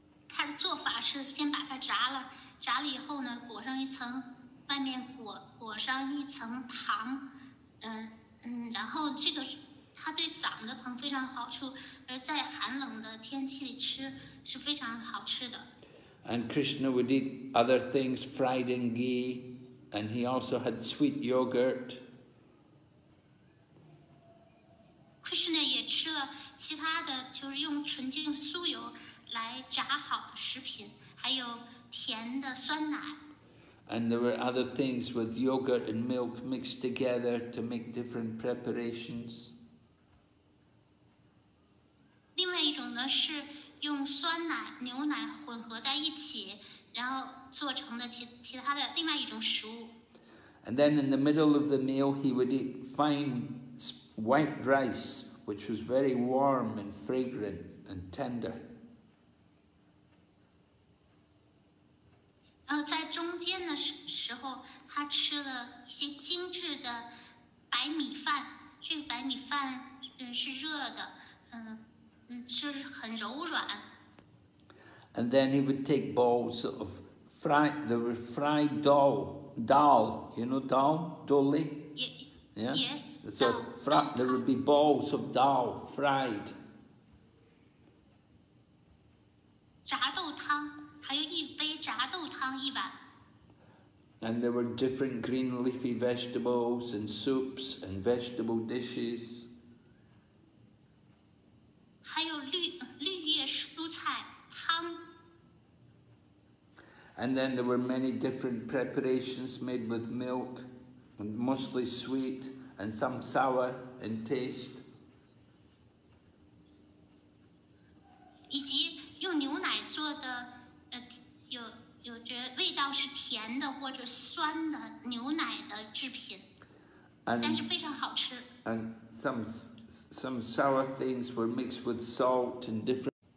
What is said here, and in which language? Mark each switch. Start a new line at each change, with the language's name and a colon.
Chinese: 它的做法是先把它炸了，炸了以后呢，裹上一层，外面裹上一层糖，然后这个它对嗓子疼非常好处，而在寒冷的天气里吃是非常好吃的。
English: And Krishna would eat other things fried in ghee, and he also had sweet yogurt.
Chinese: Krishna 也吃了其他的，就是用纯净酥油来炸好的食品，还有甜的酸奶。
English: And there were other things with yogurt and milk mixed together to make different preparations.
Chinese: 另外一种呢是用酸奶、牛奶混合在一起，然后做成的其他的另外一种食物。
English: And then in the middle of the meal, he would eat fine white rice, which was very warm and fragrant and tender.
Chinese: 然后在中间的时候，他吃了一些精致的白米饭。这个白米饭是热的，是很柔软。
English: And then he would take bowls of fried. There were fried dal. You know dal, dolly. Yeah. Yes. So fried. There would be bowls of dal fried.
Chinese: 炸豆汤，还有一杯炸豆汤一碗。
English: And there were different green leafy vegetables and soups and vegetable dishes.
Chinese: 还有绿叶蔬菜汤。
English: And then there were many different preparations made with milk, and mostly sweet and some sour in taste.
Chinese: 以及用牛奶做的，有味道是甜的或者酸的牛奶的制品，但是非常好吃。
English: And some sour things were mixed with salt and different.